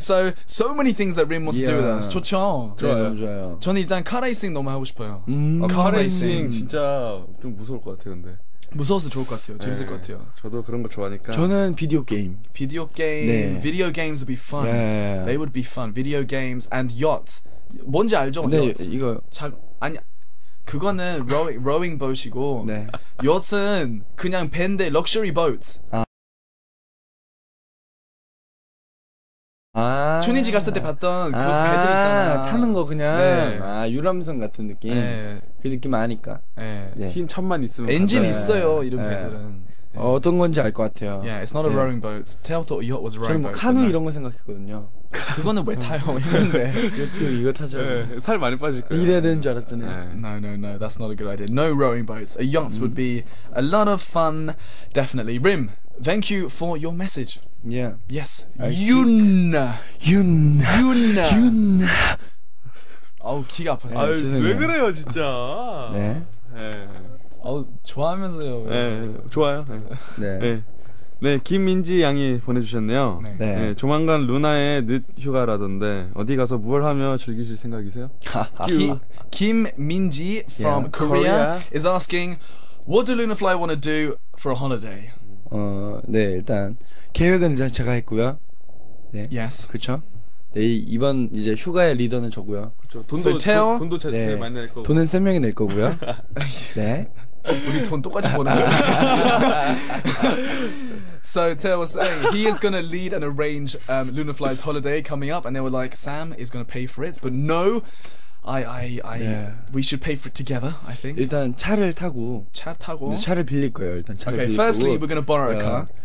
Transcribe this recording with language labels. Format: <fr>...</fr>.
<en>So, so many things that Rim wants to do with us.</en> <ko>좋죠? 좋아요, 좋아요. 저는 일단 카레이싱 너무 하고 싶어요. 카레이싱 진짜 좀 무서울 것 같아요, 근데. 무서워서 좋을 것 같아요. 재밌을 것 같아요. 저도 그런 거 좋아하니까. 저는 비디오 게임. 비디오 게임. 네.</ko> <en>Video games would be fun. Yeah. They would be fun. Video games and yacht.</en> <ko>뭔지 알죠? 네, 이거. 아니, 그거는 rowing boat이고. 네. Yacht은 그냥 밴데 luxury boat. 아. 아. 튜니지 갔을 때 봤던 그 아, 배들 있잖아. 타는 거 그냥. 네. 아, 유람선 같은 느낌. 네. 그 느낌 아니까. 네. 네. 흰 천만 있으면. 엔진 네. 있어요, 이런 네. 배들은. 네. 어떤 건지 알 것 같아요.</ko> <en>Yeah, it's not a rowing boat. Tell thought yacht was a rowing boat.</en> <ko>저는 카누 이런 거 생각했거든요. 그거는 왜 타요? 힘든데. 요트 이거 타죠. 네. 살 많이 빠질 거예요. 이래야 되는 줄 알았잖아요. 네.</ko> <en>No, no, no. That's not a good idea. No rowing boats. A yacht would be a lot of fun, definitely. Rim. Thank you for your message. Yeah. Yes. Yun.</en> <ko>아우 기가 아팠어요. 아유, 왜 그래요 진짜. 네. 네. 아우 좋아하면서요. 네. 좋아요. 네. 네. 네. 네. 김민지 양이 보내주셨네요. 네. 네. 네. 조만간 루나의 늦 휴가라던데 어디 가서 뭘 하며 즐기실 생각이세요?</ko> <en>김민지 from Korea is asking, what do Lunafly want to do for a holiday?</en> <ko>어, 네, 일단 계획은 일단 제가 했고요. 네.</ko> <en>Yes.</en> <ko>그렇죠? 네, 이번 이제 휴가의 리더는 저고요. 그렇죠. 돈도 돈도 제 많이 낼 거고. 돈은 세 명이 낼 거고요. 네. 우리 돈 똑같이 버는 거예요.</ko> <en>So Teo was saying he is going to lead and arrange Lunafly's holiday coming up and they were like Sam is going to pay for it. But no. I yeah. We should pay for it together, I think.</en> <ko>일단 차를 타고 차 타고 네, 차를 빌릴 거예요. 일단 차를</ko> <en>okay,</en> <ko>빌리고</ko> <en>Okay, firstly we're going to borrow a car.</en>